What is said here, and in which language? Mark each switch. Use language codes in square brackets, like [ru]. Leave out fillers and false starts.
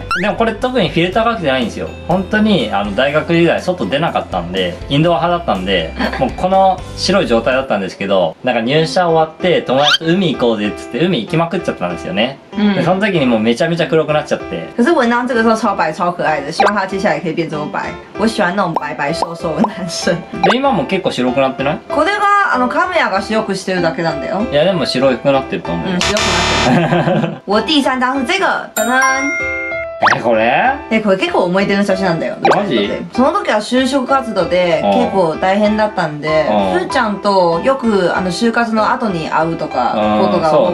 [ja] でもこれ特にフィルターかけてないんですよ。本当にあの大学時代外出なかったんでインドア派だったんで、もうこの白い状態だったんですけど、なんか入社終わって友達と海行こうぜっつって海行きまくっちゃったんですよね。 [zh] 嗯，从这里你们没加没加， [ja] 黒くなっちゃって。 [zh] 可是文章这个时候超白超可爱的，希望他接下来可以变这么白。我喜欢那种白白瘦瘦的男生。 [ja] で今も結構白くなってない？これはあのカメラが白くしてるだけなんだよ。いやでも白くなってると思う。白くなってる。 [zh] 我第三张是这个，噔噔。 [ja] え、これ？え、これ結構思い出の写真なんだよ。マジ？その時は就職活動で結構大変だったんで、ふーちゃんとよくあの就活の後に会うとかことが多くて、